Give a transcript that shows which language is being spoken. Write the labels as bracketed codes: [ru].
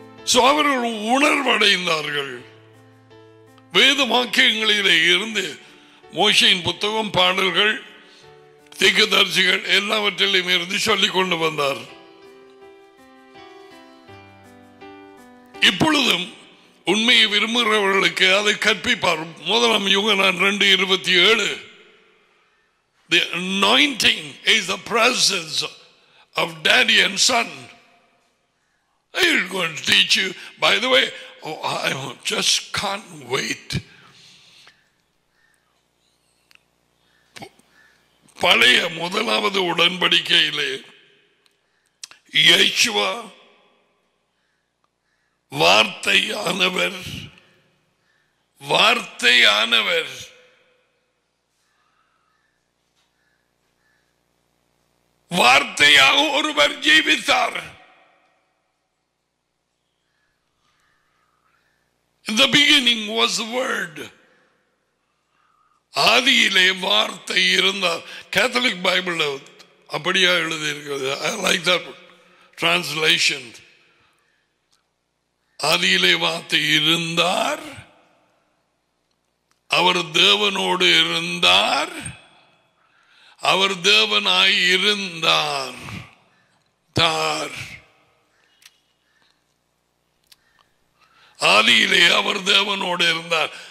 [ta] So அவர்கள் உணர்வடைந்தார்கள். வேத வாக்கியங்களிலே இருந்து மோசேயின் புத்தகம், பாடல்கள், தீர்க்கதரிசிகள் எல்லாவற்றிலையும் இருந்து சொல்லிக் கொண்டு வந்தார். இப்பொழுதும் உண்மையை விரும்புகிறவர்களுக்கு அதை கற்பிப்பார். [en] முதலாம் யோகனான் 2:27, the anointing is the presence of daddy and son. I am going to teach you. By the way, I just can't wait. [ta] பழைய முதலாவது உடன்படிக்கையிலே யேசுவா வார்த்தையானவர், வார்த்தையானவர் வார்த்தையாக ஒருவர் ஜீவித்தார். [en] In the beginning was the word. [ta] ஆதியிலே வார்த்தை இருந்தார். கேத்தலிக் பைபிள் அப்படியா எழுதியிருக்கிறது. [en] I like that translation. [ta] ஆதியிலே வார்த்தை இருந்தார், அவர் தேவனோடு இருந்தார், அவர் தேவனாய் இருந்தார். தார் ஆதியிலே அவர் தேவனோடு இருந்தார்.